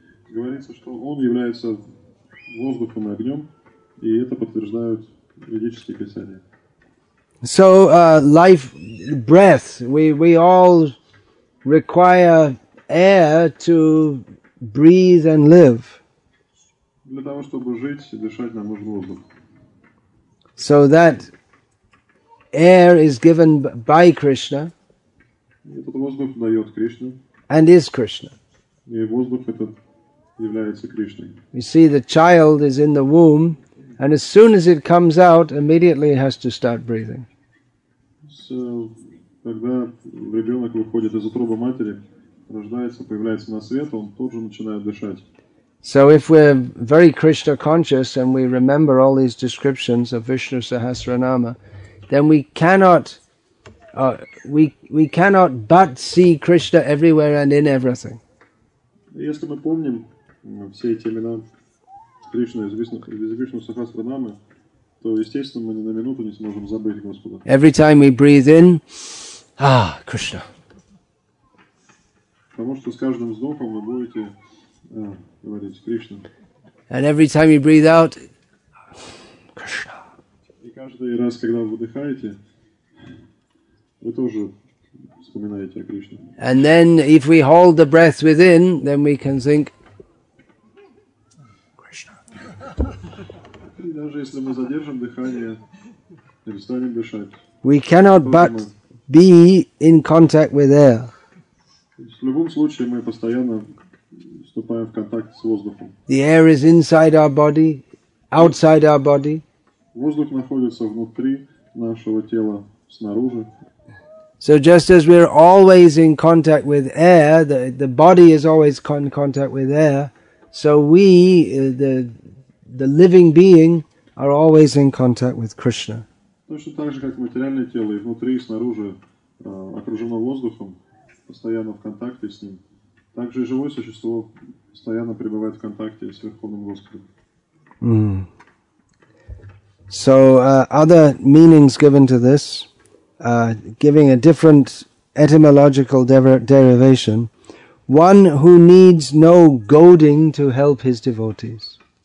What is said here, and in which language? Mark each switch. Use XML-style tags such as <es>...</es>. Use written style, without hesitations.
<ru>Говорится, что он является воздухом и огнем, и это подтверждают ведические писания.</ru> <en>So, life, breath, we all require air to breathe and live.</en> <ru>Для того, чтобы жить, дышать, нам нужен воздух.</ru> <en>So that air is given by Krishna.</en> <ru>Этот воздух дает Кришна.</ru> <en>And is Krishna.</en> <ru>И воздух этот является Кришной.</ru> <en>You see, the child is in the womb, and as soon as it comes out, immediately it has to start breathing.</en> <ru>Когда ребенок выходит из утробы матери, рождается, появляется на свет, он тут же начинает дышать.</ru> <en>So if we're very Krishna conscious and we remember all these descriptions of Vishnu Sahasranama, then we cannot but see Krishna everywhere and in everything.</en> <ru>Если мы помним все эти имена Кришны из Вишну Сахасранамы, то, естественно, мы ни на минуту не сможем забыть Господа.</ru> <en>Every time we breathe in, Krishna.</en> <ru>Потому что с каждым вздохом вы будете говорить Кришна.</ru> <en>And every time you breathe out, Krishna.</en> <ru>И каждый раз, когда вы выдыхаете, вы тоже вспоминаете о Кришне.</ru> <en>And then, if we hold the breath within, then we can think,</en> <ru>даже если мы задержим дыхание, перестанем дышать.</ru> <en>We cannot but be in contact with air.</en> <ru>В любом случае мы постоянно вступаем в контакт с воздухом.</ru> <en>The air is inside our body, outside our body.</en> <ru>Воздух находится внутри нашего тела, снаружи.</ru> <en>So just as we're always in contact with air, the body is always in contact with air, so we, the living being, are always in contact with Krishna.</en> <ru>Точно так же, как материальное тело, и внутри, и снаружи, окружено воздухом, постоянно в контакте с ним, так же и живое существо постоянно пребывает в контакте с Верховным Господом. Mm.</ru> <en>So, other meanings given to this, giving a different etymological derivation, one who needs no goading to help his devotees.</en>